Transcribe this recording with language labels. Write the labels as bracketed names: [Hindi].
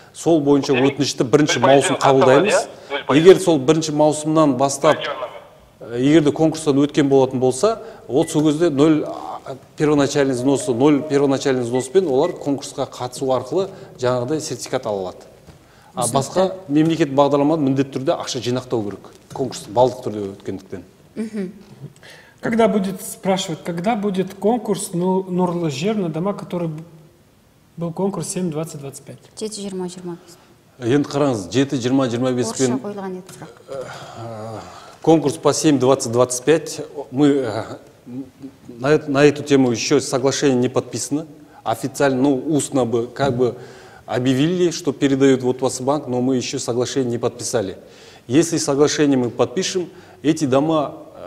[Kazakh] Сол бойынша өтінішті 1 маусым қабылдаймыз. Егер сол 1 маусымнан бастап, егер де конкурстан өткен болатын болса, ол сол кезде 0 первоначальный взноспен олар конкурсқа қатысу арқылы жаңағыдай сертификат ала алады. Басқа мемлекет бағдарламада міндетті түрде ақша жинақтау керек конкурс балдық түрде өткендіктен. [Russian] Когда будет, спрашивают, когда будет конкурс «Нұрлы жер» на дома, который был конкурс 7-20-25? 7-20-25. [Kazakh] Енді қараңыз, 7-20-25 пен... Орысша қойылған еді сұрақ. [Russian] Конкурс по 7-20-25, мы на эту тему еще соглашение не подписано. Официально, ну, устно бы, как бы объявили, что передают вот вас банк, но мы еще соглашение не подписали. Если соглашение мы подпишем, эти дома